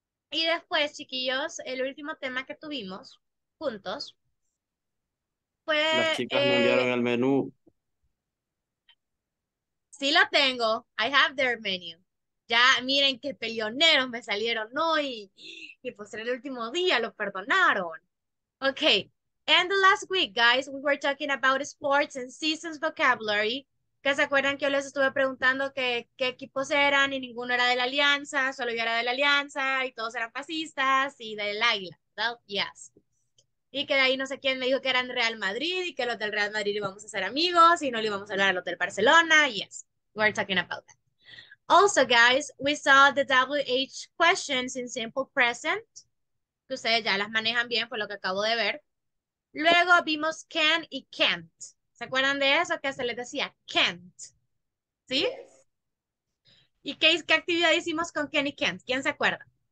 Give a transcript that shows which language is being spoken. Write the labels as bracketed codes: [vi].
[es] Y después, chiquillos, el último tema que tuvimos juntos fue... Las chicas me enviaron el menú. Sí lo tengo. [en] I have their menu. [es] Ya miren qué peleoneros me salieron hoy. Y pues era el último día, lo perdonaron. [en] Okay, and the last week, guys, we were talking about sports and seasons vocabulary. [es] ¿Que se acuerdan que yo les estuve preguntando qué equipos eran y ninguno era de la Alianza, solo yo era de la Alianza y todos eran fascistas y del Águila? [en] Well, yes. [es] Y que de ahí no sé quién me dijo que eran Real Madrid y que los del Real Madrid íbamos a ser amigos y no le íbamos a hablar a los del Barcelona. [en] Yes, we're talking about that. Also, guys, we saw the WH questions in simple present. [es] Que ustedes ya las manejan bien, por lo que acabo de ver. Luego vimos can y can't. ¿Se acuerdan de eso? Que se les decía can't. ¿Sí? ¿Y qué actividad hicimos con can y can't? ¿Quién se acuerda?